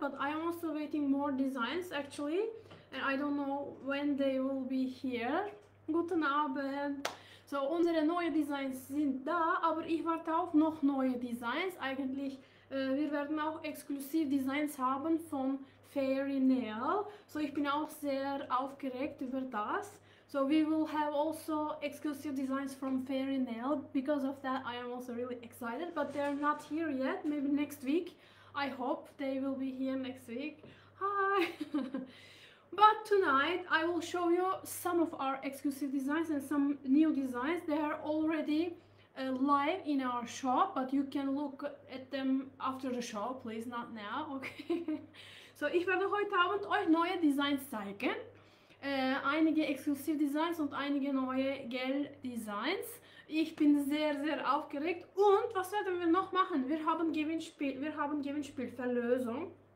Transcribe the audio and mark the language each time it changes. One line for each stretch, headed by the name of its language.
English: But I am also waiting more designs actually. And I don't know when they will be here.
German: Guten Abend! So, unsere neuen Designs sind da, aber ich warte auf noch neue Designs. Eigentlich, wir werden auch exklusiv Designs haben von Fairy Nail. So, ich bin auch sehr aufgeregt über das.
English: So, we will have also exclusive designs from Fairy Nail. Because of that, I am also really excited, but they are not here yet. Maybe next week. I hope they will be here next week. Hi! But tonight I will show you some of our exclusive designs and some new designs. They are already live in our shop, but you can look at them after the show, please, not now, okay?
German: So, ich werde heute Abend euch neue Designs zeigen. Einige exclusive Designs und einige neue gel Designs. Ich bin sehr, sehr aufgeregt. Und was werden wir noch machen? Wir haben Gewinnspielverlösung.